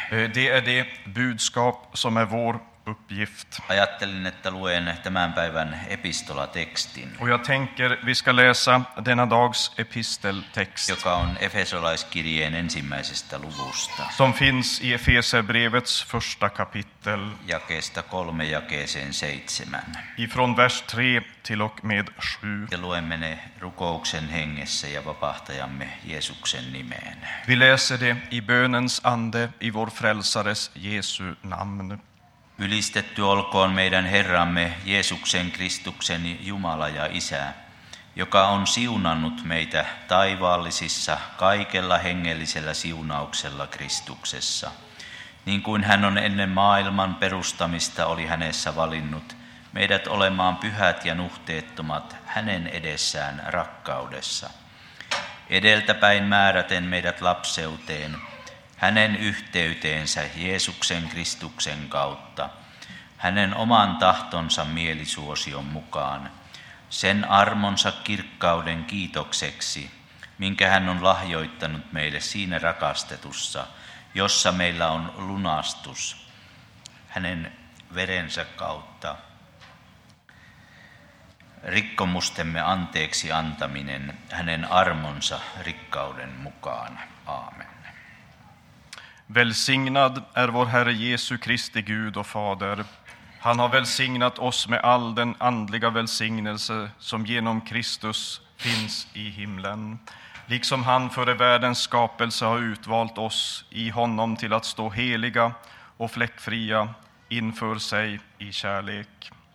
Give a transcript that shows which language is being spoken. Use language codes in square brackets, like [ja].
[sv] Det är det budskap som är vår uppgift. [fi] Ajattelin, että luen tämän päivän epistolatekstin. [sv] Och jag tänker vi ska läsa denna dags episteltext. [fi] Joka on Efesolaiskirjeen ensimmäisestä luvusta. [sv] Som finns i Efesebrevets första kapitel. [fi] Jakeesta 3 jakeeseen 7. [sv] Ifrån vers 3 till och med 7. [fi] Ja luemme ne rukouksen hengessä ja vapahtajamme Jeesuksen nimeen. [sv] Vi läser det i bönens ande i vår frälsares Jeesu namn. [fi] Ylistetty olkoon meidän Herramme Jeesuksen Kristuksen Jumala ja Isä, joka on siunannut meitä taivaallisissa kaikella hengellisellä siunauksella Kristuksessa, niin kuin hän on ennen maailman perustamista oli hänessä valinnut meidät olemaan pyhät ja nuhteettomat hänen edessään rakkaudessa. edeltäpäin määräten meidät lapseuteen, hänen yhteyteensä Jeesuksen Kristuksen kautta, hänen oman tahtonsa mielisuosion mukaan, sen armonsa kirkkauden kiitokseksi, minkä hän on lahjoittanut meille siinä rakastetussa, jossa meillä on lunastus hänen verensä kautta, rikkomustemme anteeksi antaminen hänen armonsa rikkauden mukaan. Aamen. [sv] Välsignad är vår Herre Jesu Kristi Gud och Fader. Han har välsignat oss med all den andliga välsignelse som genom Kristus finns i himlen. Liksom han före världens skapelse har utvalt oss i honom till att stå heliga och fläckfria inför sig i kärlek.